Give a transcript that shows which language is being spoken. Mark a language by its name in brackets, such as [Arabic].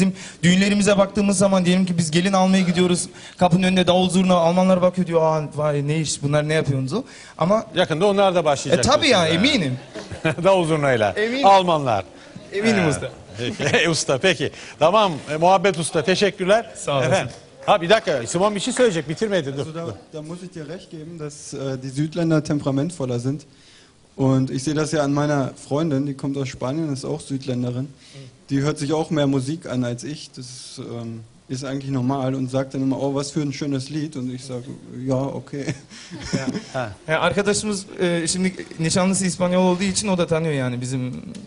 [Turkish] Bizim düğünlerimize baktığımız zaman diyelim ki biz gelin almaya gidiyoruz kapının önünde davul zurna Almanlar bakıyor diyor aa vay ne iş bunlar ne yapıyorsunuz o. Ama yakında onlar da başlayacak. Tabii ya yani, eminim. Davul zurnayla. Eminim. Almanlar. Eminim usta. Usta peki. Tamam muhabbet usta teşekkürler. Sağ olasın. Efendim. Ha bir dakika, Simon bir şey söyleyecek, bitirmedi. Dur. [German] Also da muss ich dir recht geben, dass die Südländer temperamentvoller sind. Und ich sehe das ja an meiner Freundin, die kommt aus Spanien, ist auch Südländerin. Die hört sich auch mehr Musik an als ich, das ist eigentlich normal. Und sagt dann immer, oh, was für ein schönes Lied. Und ich sage, ja, okay. [Turkish] Ja, arkadaşımız şimdi nişanlısı İspanyol olduğu için o da tanıyor yani bizim...